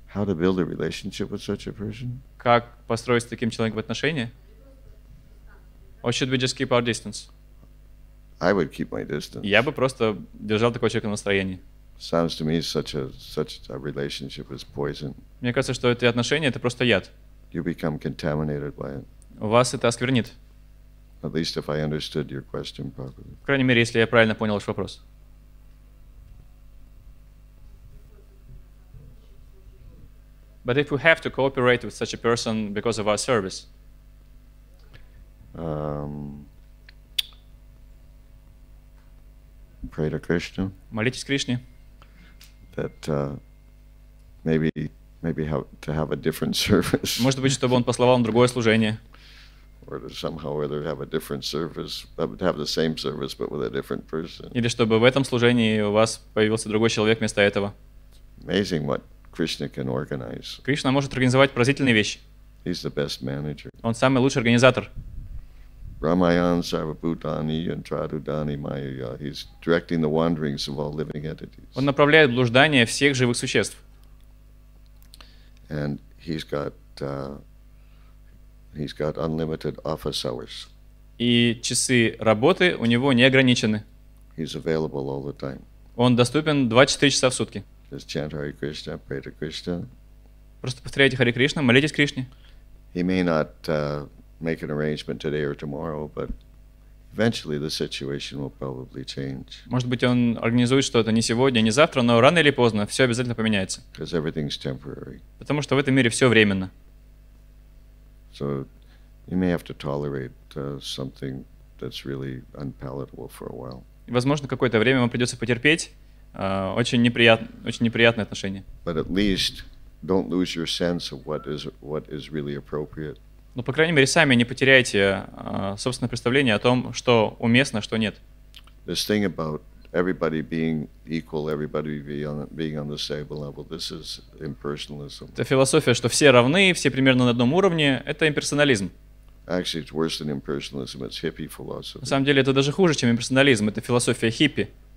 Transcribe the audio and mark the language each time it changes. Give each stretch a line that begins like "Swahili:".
English: How to build a relationship with such a person?
Russian: Как построить с таким человеком отношения?
English: Or should we just keep our distance? I would keep my distance.
Russian: Я бы просто держал такого человека в настроении.
English: Sounds to me such a relationship is poison.
Russian: Мне кажется, что эти отношения — это просто яд.
English: You become contaminated by it.
Russian: У вас это осквернит.
English: At least if I understood your question properly.
Russian: По крайней мере, если я правильно понял ваш вопрос.
English: But if we have to cooperate with such a person because of our service, pray to Krishna.
Russian: Молитесь Кришне.
English: That maybe have to have a different service.
Russian: Может быть, чтобы он послал вам другое служение.
English: Or to somehow or other have a different service, but have the same service but with a different person.
Russian: Или чтобы в этом служении у вас появился другой человек вместо этого.
English: Amazing what Krishna can organize.
Russian: Кришна может организовать поразительные вещи.
English: He's the best manager.
Russian: Он самый лучший организатор. Ramayan Sarvabhutani and Tradudani Maya.
English: He's directing the wanderings of all living entities.
Russian: Он направляет блуждание всех живых существ.
English: And he's got unlimited office hours.
Russian: И часы работы у него не ограничены.
English: He's available all the time.
Russian: Он доступен 24 часа в сутки.
English: Just chant Hare Krishna, pray to Krishna.
Russian: Просто повторяйте Харе Кришна, молитесь Кришне.
English: He may not make an arrangement today or tomorrow, but eventually the situation will probably change.
Russian: Может быть, он организует что-то не сегодня, не завтра, но рано или поздно все обязательно поменяется.
English: Because everything's temporary.
Russian: Потому что в этом мире все временно.
English: So you may have to tolerate something that's really unpalatable for a while.
Russian: Возможно, какое-то время вам придется потерпеть очень неприятные отношения.
English: But at least don't lose your sense of what is really appropriate.
Russian: Но, по крайней мере, сами не потеряйте собственное представление о том, что уместно, что нет.
English: This thing about everybody being equal, everybody being on the same level, this is impersonalism.
Russian: Это философия, что все равны, все примерно на одном уровне, это имперсонализм.
English: Actually, it's worse than impersonalism, it's hippie philosophy.
Russian: На самом деле, это даже хуже, чем имперсонализм, это философия хиппи.